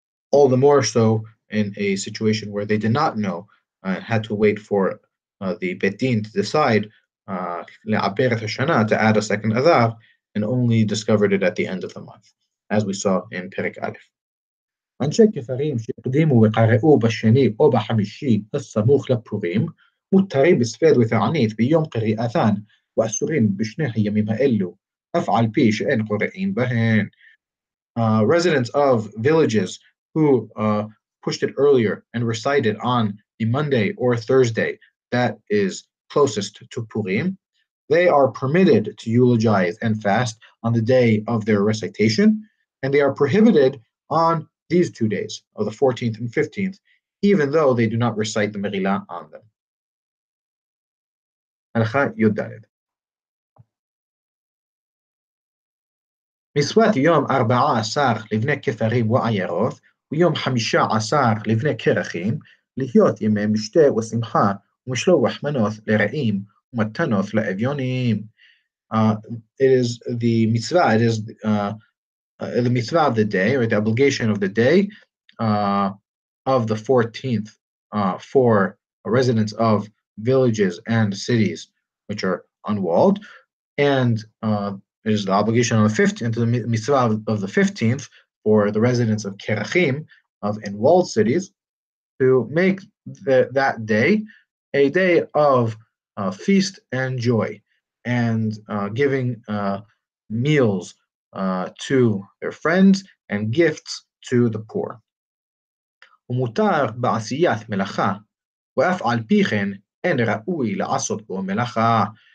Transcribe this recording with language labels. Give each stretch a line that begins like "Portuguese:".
English: All the more so in a situation where they did not know and had to wait for the Beit Din to decide
Hebrew: le'aper et hashana,
English: to add a second Adar, and only discovered it at the end of the month, as we saw in Perek Aleph.
Hebrew: אנשי כפרים שיקדימו וקראו בשני או בחמישי הסמוך לפורים, מותרים בספד ותענית ביום קריאתן, ואסורים בשני הימים האלו, אף על פי שאין קוראים בהן.
English: Residents of villages who pushed it earlier and recited on the Monday or Thursday that is closest to Purim, they are permitted to eulogize and fast on the day of their recitation, and they are prohibited on these 2 days, of the 14th and 15th, even though they do not recite the Megillah on them.
Hebrew: הלכה י"ד. מצוות יום 14 לבני כפרים ועיירות, ויום 15 לבני קרחים, להיות ימי משתה ושמחה, ומשלוח מנות לרעים, ומתנות לאביונים.
English: It is the mitzvah, it is the mitzvah of the day, or the obligation of the day, of the 14th, for residents of villages and cities which are unwalled, and it is the obligation of the 15th, the mitzvah of the 15th, for the residents of Kerachim, of unwalled cities, to make that day a day of feast and joy, and giving meals to their friends and gifts to the poor.
Hebrew: ומותר בעשיית מלאכה, ואף על פי כן אין ראוי לעשות בו מלאכה.